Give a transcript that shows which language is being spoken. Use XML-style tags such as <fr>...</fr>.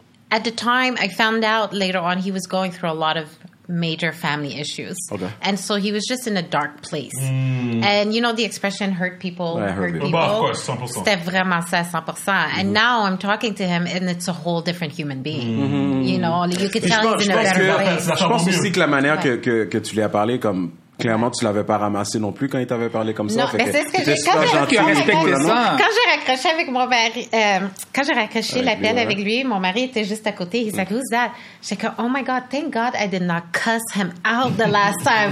<en>At the time, I found out later on he was going through a lot of major family issues. Okay. And so he was just in a dark place. Mm. And you know the expression hurt people, hurt people. Bah, of course, 100%.</en> <fr>C'était vraiment ça, 100%. And mm-hmm.</fr> <en>now I'm talking to him and it's a whole different human being. Mm-hmm. You know, you could tell he's in a better place.</en> <fr>Je pense aussi que la manière que tu lui as parlé, comme clairement, tu l'avais pas ramassé non plus quand il t'avait parlé comme ça. Non, fait mais c'est ce que j'ai quand j'ai raccroché avec mon mari, quand j'ai raccroché l'appel avec lui, mon mari était juste à côté.</fr> <en>He's like, who's that?</en> <fr>J'ai dit,</fr> <en>oh my God, thank God I did not cuss him out the last time.</en>